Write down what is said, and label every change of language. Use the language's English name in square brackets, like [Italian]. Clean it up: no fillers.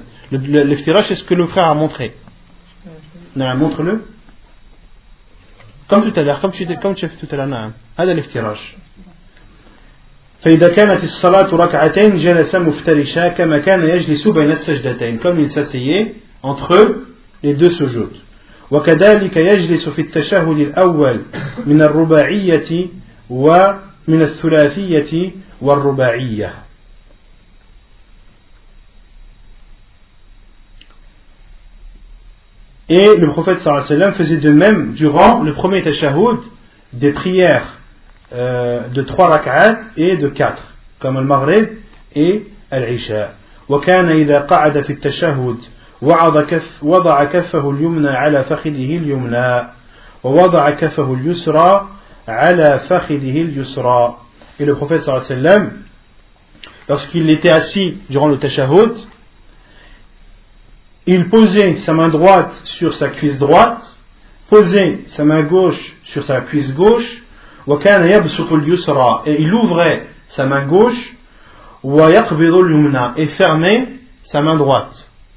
[French] L'iftirash, c'est ce que le frère a montré. Non, montre-le. Comme tout à l'heure, comme tu as fait tout à l'heure. هذا l'iftirash. [Arabic] فَإِذَا كَانَتِ الصَّلَاةُ رَكْعَتَيْنِ جَلَسَ مُفْتَرِشًا كَمَا كَانَ يَجْلِسُ بَيْنَ السَّجْدَتَيْنِ. [French] Comme il s'asseyait entre les deux soujouts. [Arabic] وكذلك يجلس في التشهد الأول من الرباعية ومن الثلاثية والرباعية. [French] Et le prophète صلى الله عليه وسلم faisait de même durant le premier tashahhud des prières de trois rak'at et de quatre, comme le maghrib et l'عشاء. [Arabic] وكان إذا قعد في التشهد وضع كفه اليمنى على فخذه اليمنى ووضع كفه اليسرى على فخذه اليسرى. [French] Et le prophète صلى الله عليه وسلم, lorsqu'il était assis durant le tashahhud, il posait sa main droite sur sa cuisse droite, posait sa main gauche sur sa cuisse gauche, [Arabic] وكان يبسط اليسرى, [French] et il ouvrait sa main gauche, [Arabic] ويقبض اليمنى, [French] et fermait sa main droite.